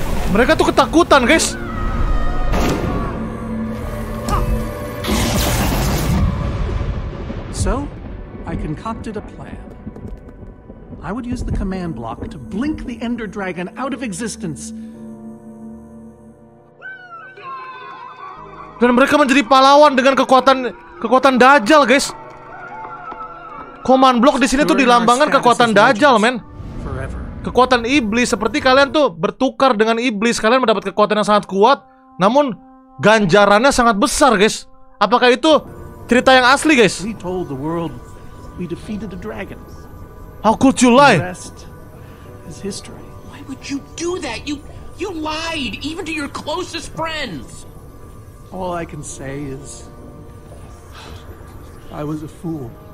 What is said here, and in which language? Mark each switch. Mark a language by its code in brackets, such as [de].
[id] Mereka tuh ketakutan, guys. [en] So, I concocted a plan. I would use the command block to blink the Ender Dragon out of existence. [id] Dan mereka menjadi pahlawan dengan kekuatan Dajjal, guys. Command block di sini tuh dilambangkan kekuatan Dajjal, men. Kekuatan iblis, seperti kalian tuh bertukar dengan iblis, kalian mendapat kekuatan yang sangat kuat, namun ganjarannya sangat besar, guys. Apakah itu cerita yang asli, guys? [en] We told the world we defeated the dragon. How could you lie? The rest is history. Why would you do that? You lied even to your closest friends. All I can say is I was a fool.